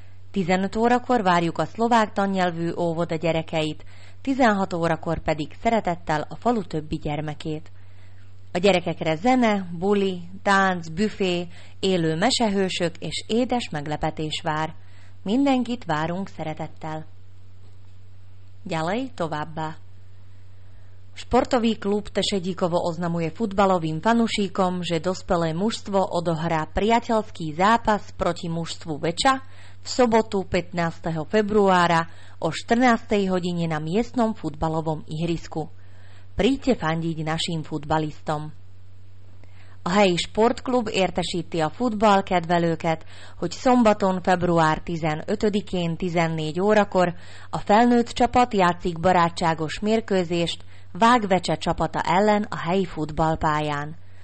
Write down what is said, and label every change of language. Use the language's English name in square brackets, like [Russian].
[Hungarian] 15 órakor várjuk a szlovák tannyelvű óvoda gyerekeit, 16 órakor pedig szeretettel a falu többi gyermekét. A gyerekekre zene, buli, tánc, büfé, élő mesehősök és édes meglepetés vár. Mindenkit várunk szeretettel. Gyalej továbbá. [Slovak] Sportový klub Tešedíkovo oznamuje futbalovým fanušíkom, že dospelé mužstvo odohrá priateľský zápas proti mužstvu Veča v sobotu 15. februára o 14. hodine na miestnom futbalovom ihrisku. Príďte fandiť našim futbalistom. [Hungarian] A helyi sportklub értesíti a futballkedvelőket, hogy szombaton február 15-én 14 órakor a felnőtt csapat játszik barátságos mérkőzést Vágvecse csapata ellen a helyi futballpályán.